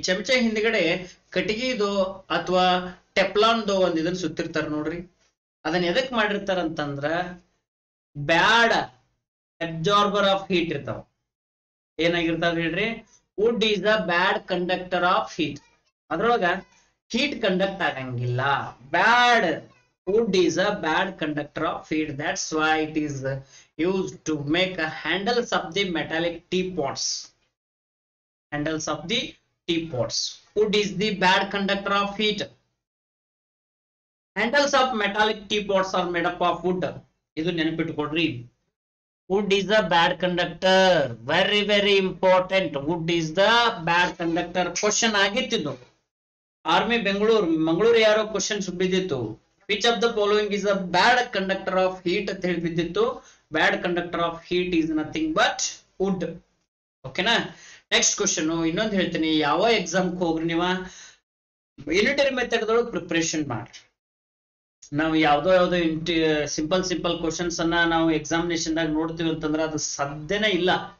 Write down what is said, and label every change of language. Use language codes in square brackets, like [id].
[kn] ಚಮಚೆ ಹಿಂದ್ಗಡೆ ಕಟ್ಟಿಗೆದು ಅಥವಾ ಟೆಪ್ಲಾನ್ದು ಒಂದ್ ಇದನ್ ಸುತ್ತಿರ್ತಾರ ನೋಡ್ರಿ, ಅದನ್ನ ಎದಕ್ ಮಾಡಿರ್ತಾರ ಅಂತಂದ್ರ [en] bad absorber of heat [kn] ಇರ್ತಾವ. ಏನಾಗಿರ್ತಾವ ಹೇಳ್ರಿ, [en] wood is the bad conductor of heat, [kn] ಅದ್ರೊಳಗ ಹೀಟ್ ಕಂಡಕ್ಟ್ ಆಗಂಗಿಲ್ಲ. [en] Bad wood is a bad conductor of heat, that's why it is used to make a handles of the metallic teapots, handles of the teapots. Wood is the bad conductor of heat, handles of metallic teapots are made up of wood. [kn] ಇದು ನೆನಪಿಟ್ಕೊಳ್ರಿ, [en] wood is a bad conductor, very very important, wood is the bad conductor. Question [kn] ಆಗಿತ್ತು army Bengaluru Mangaluru ಯಾರೋ questions ಬಿದ್ದಿತ್ತು, [en] which of the following is a bad conductor of heat [kn] ಅಂತ ಹೇಳಿ ಬಿದ್ದಿತ್ತು. [en] Bad conductor of heat is nothing but wood. ಓಕೆನಾ, next question [kn] ಇನ್ನೊಂದು ಹೇಳ್ತೀನಿ. ಯಾವ ಎಕ್ಸಾಮ್ಗೆ ಹೋಗ್ರಿ ನೀವ ಯೂನಿಟರಿ ಮೆಥಡ್ದೊಳಗೆ ಪ್ರಿಪ್ರೇಷನ್ ಮಾಡ್ರಿ. ನಾವು ಯಾವುದೋ ಯಾವುದೋ ಇಂಟಿ ಸಿಂಪಲ್ ಸಿಂಪಲ್ ಕ್ವಶನ್ಸ್ ಅನ್ನ ನಾವು ಎಕ್ಸಾಮಿನೇಷನ್ ದಾಗ ನೋಡ್ತೀವಿ ಅಂತಂದ್ರೆ ಅದು ಸಾಧ್ಯನೇ ಇಲ್ಲ.